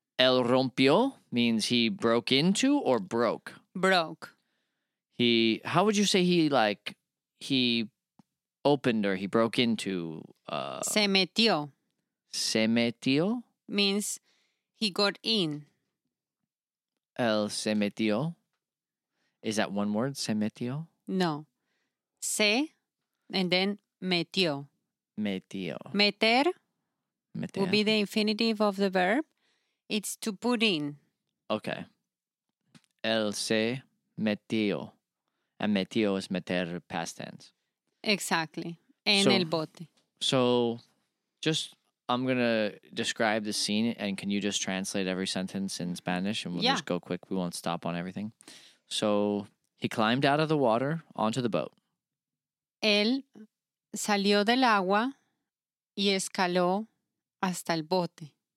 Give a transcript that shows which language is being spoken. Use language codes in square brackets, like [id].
[es] Él rompió [en] means he broke into or broke. Broke. He. How would you say he like he opened or he broke into? [es] Se metió. Se metió [en] means he got in. [es] Él se metió. [en] Is that one word, [es] se metió? [en] No. Se, and then metió. [es] Metió. [en] Meter, meter will be the infinitive of the verb. It's to put in. [es] Okay. El se metió. [en] And metió is meter past tense. [es] Exactly. En el bote. [en] So, just, I'm going to describe the scene, and can you just translate every sentence in Spanish? And we'll just go quick. We won't stop on everything. So he climbed out of the water onto the boat. [es] Él salió del agua y escaló hasta el bote.